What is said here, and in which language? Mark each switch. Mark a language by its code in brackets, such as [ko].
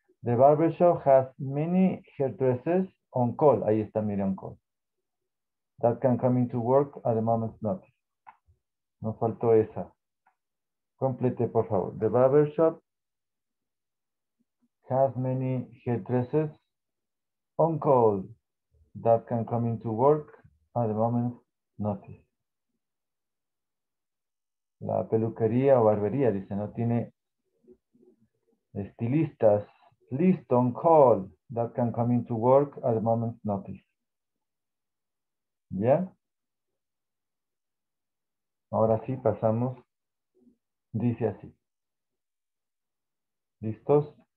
[en] The barbershop has many hairdressers on call, [es] ahí está mire [en] on call, that can come into work at the moment's notice. [es] Nos faltó esa. Complete, por favor. [en] The barbershop has many hairdressers on call that can come into work at the moment's notice. [es] La peluquería o barbería, dice, no tiene estilistas. [en] List on call that can come into work at the moment's notice. [es] ¿Ya? Ahora sí, pasamos. Dice así. ¿Listos?